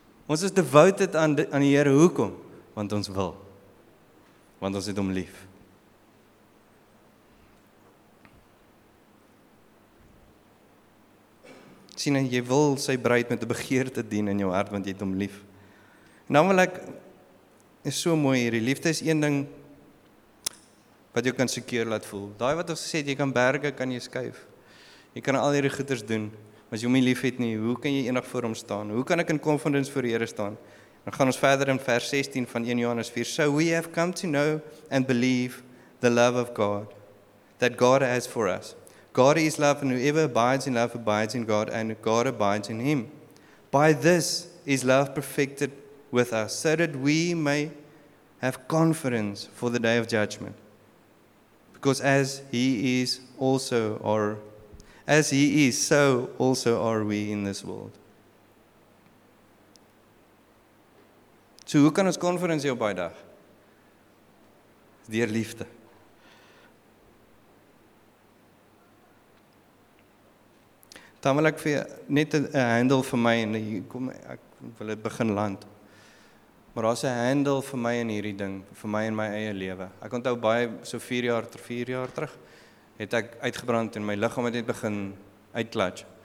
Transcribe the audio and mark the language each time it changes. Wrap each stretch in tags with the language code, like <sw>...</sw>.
<af>Ons is devoted aan die Here, hoekom? Want ons wil. Want ons het hom lief. Sien, jy wil sy bruid met 'n begeerte dien in jou hart, want jy het hom lief. En dan wil ek, is so mooi hierdie, liefde is een ding, wat jy kan secure laat voel. Daai wat ons gesê het, jy kan berge, kan jy skuif. Jy kan al hierdie goeders doen, maar as jy hom nie lief het nie, hoe kan jy enig voor hom staan? Hoe kan ek in confidence voor die Here staan? Dan gaan ons verder in vers 16 van 1 Johannes 4.</af> <en>So we have come to know and believe the love of God, that God has for us. God is love, and whoever abides in God, and God abides in him. By this is love perfected with us, so that we may have confidence for the day of judgment. Because as he is, so also are we in this world.</en> <af>So hoe kan ons confidence hê op daai dag? Deur liefde. Dan wil ek vir net 'n handle vir my, en kom, ek wil dit begin land. Maar daar is een handle vir my in hierdie ding, vir my in my eie lewe. Ek onthou baie, so vier jaar terug, het ek uitgebrand en my lichaam het net begin uitklatsch.</af>